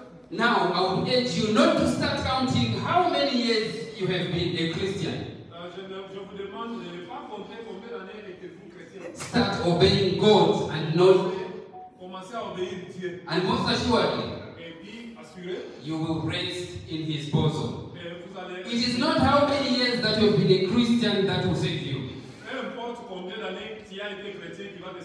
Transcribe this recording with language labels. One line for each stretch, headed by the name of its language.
English: Now, I would urge you not to start counting how many years you have been a Christian.
French: Je vous demande de ne pas compter combien d'années étiez-vous chrétien.
English: Start obeying God and not.
French: Commencez à obéir Dieu.
English: And most assuredly,
French: et puis assurez,
English: you will rest in His bosom.
French: Vous allez.
English: It is not how many years that you have been a Christian that will save you.
French: Peu importe combien d'années tu as été chrétien qui va te